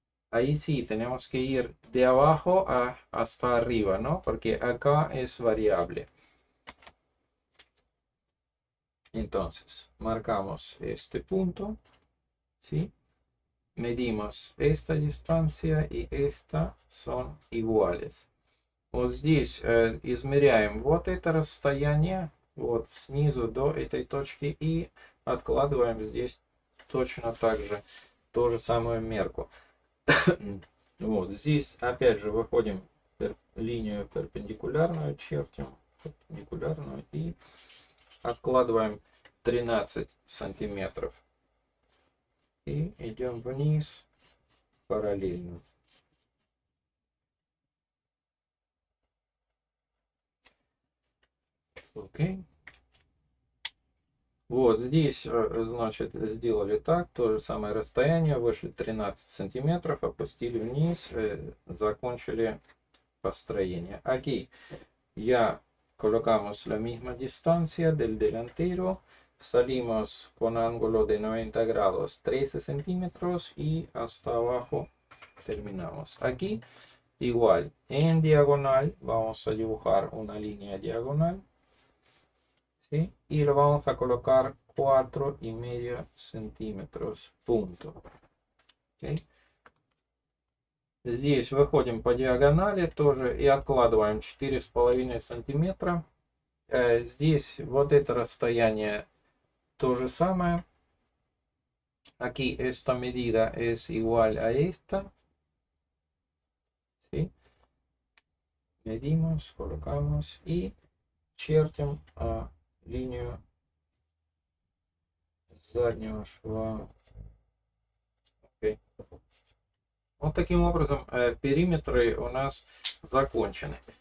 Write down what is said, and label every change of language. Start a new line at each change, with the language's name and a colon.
Spanish: Ahí sí, tenemos que ir de abajo hasta arriba, ¿no? Porque acá es variable. Entonces, marcamos este punto. ¿Sí? Medimos esta distancia y esta son iguales.
Russian: Вот здесь измеряем вот это расстояние, вот снизу до этой точки, и откладываем здесь точно так же, ту же самую мерку. Вот здесь опять же выходим линию перпендикулярную, чертим перпендикулярную и откладываем 13 сантиметров. И идем вниз параллельно. Окей. Вот здесь, значит, сделали так, то же самое расстояние, вышли 13 сантиметров, опустили вниз, закончили построение. Окей.
Spanish: Я colocamos la misma distancia del delantero, salimos con ángulo de 90 grados 13 centímetros y hasta abajo terminamos. Aquí igual en diagonal vamos a dibujar una línea diagonal, ¿sí? Y lo vamos a colocar 4 y medio centímetros, punto. ¿Okay?
Russian: Здесь выходим по диагонали тоже и откладываем 4,5 сантиметра. Здесь вот это расстояние то же самое.
Spanish: Aquí esta medida es igual a esta. ¿Sí? Medimos, colocamos
Russian: и чертим линию заднего шва. Okay. Вот таким образом периметры у нас закончены.